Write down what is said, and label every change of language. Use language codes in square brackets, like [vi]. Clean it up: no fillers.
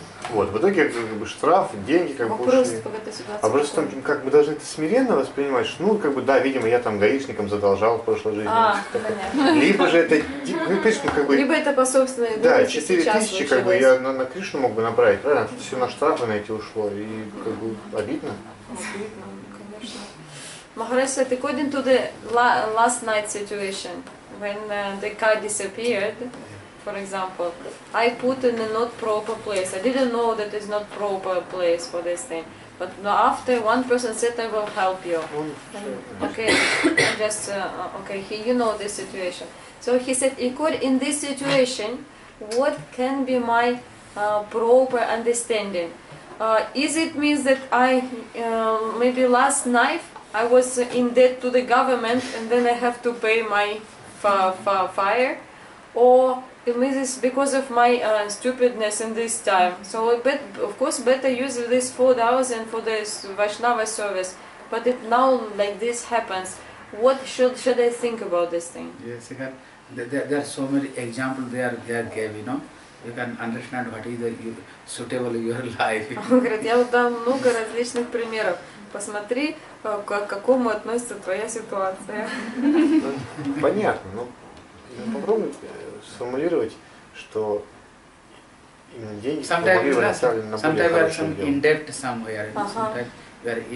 [ru] Вот, в итоге как бы штраф, деньги как бы ушли. А просто там как бы даже это смиренно воспринимать, ну, как бы, да, видимо, я там гаишникам задолжал в прошлой жизни. А, понятно. Либо же это, ну, Кришна, как бы. Либо это по собственной да, 4000, как бы, я на Кришну мог бы направить, правильно? Тут все на штрафы на эти ушло, и как бы обидно. Обидно, конечно. [en] Махараджа, according to the last night situation, when the car disappeared, for example, I put in a not proper place. I didn't know that it's not proper place for this thing. But after one person said, I will help you. Okay, just, okay, you know this situation. So he said, Ikur, in this situation, what can be my proper understanding? Is it means that I, maybe last night, I was in debt to the government and then I have to pay my fire? Or it means it's because of my stupidness in this time. So but of course better use this 4 hours and for this Vaishnava service. But if now like this happens, what should I think about this thing? Yes, you can. There are so many examples they are gave, you know. You can understand what is suitable your life. [ru] Я дам много различных примеров. Посмотри, к какому относится твоя ситуация. Понятно, но попробуй сформулировать, что именно деньги направлены на более хорошее дело.